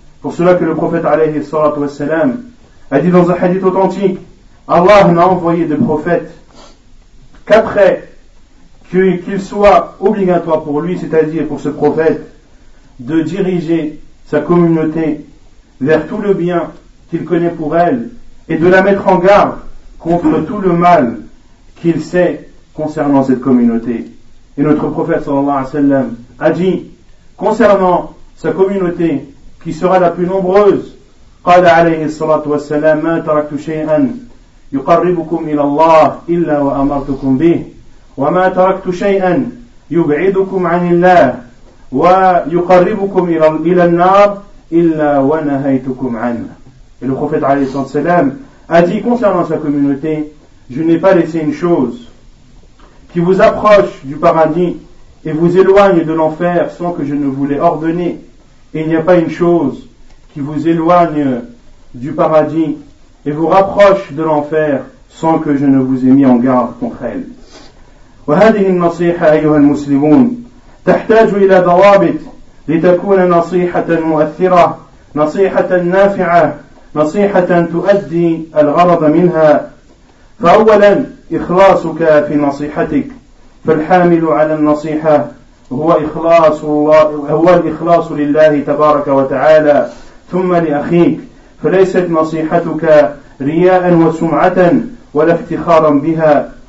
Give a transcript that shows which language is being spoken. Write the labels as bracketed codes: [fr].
[fr] Pour cela que le prophète alayhi salatu wassalam a dit dans un hadith authentique: Allah n'a envoyé de prophète qu'après qu'il soit obligatoire pour lui, c'est-à-dire pour ce prophète, de diriger sa communauté vers tout le bien qu'il connaît pour elle et de la mettre en garde contre tout le mal qu'il sait concernant cette communauté. Et notre prophète sallallahu alayhi wa sallam a dit concernant sa communauté qui sera la plus nombreuse: [ar] قال عليه الصلاة والسلام ما تركت شيئا يقربكم إلى الله إلا وأمرتكم به وما تركت شيئا يبعدكم عن الله ويقربكم إلى النار إلا ونهيتكم عنه. [fr] Et le prophète [ar] عليه الصلاة والسلام [fr] a dit concernant sa communauté: je n'ai pas laissé une chose qui vous approche du paradis et vous éloigne de l'enfer sans que je ne vous l'ai ordonné, et il n'y a pas une chose qui vous éloigne du paradis et vous rapproche de l'enfer sans que je ne vous ai mis en garde contre elle. [ar] وهذه النصيحة أيها المسلمون تحتاج إلى ضوابط لتكون نصيحة مؤثرة نصيحة نافعة نصيحة تؤدي الغرض منها. فأولا إخلاصك في نصيحتك، فالحامل على النصيحة هو إخلاص الله، هو الإخلاص لله تبارك وتعالى ثم لأخيك، فليست نصيحتك رياء وسمعة ولا افتخارا بها.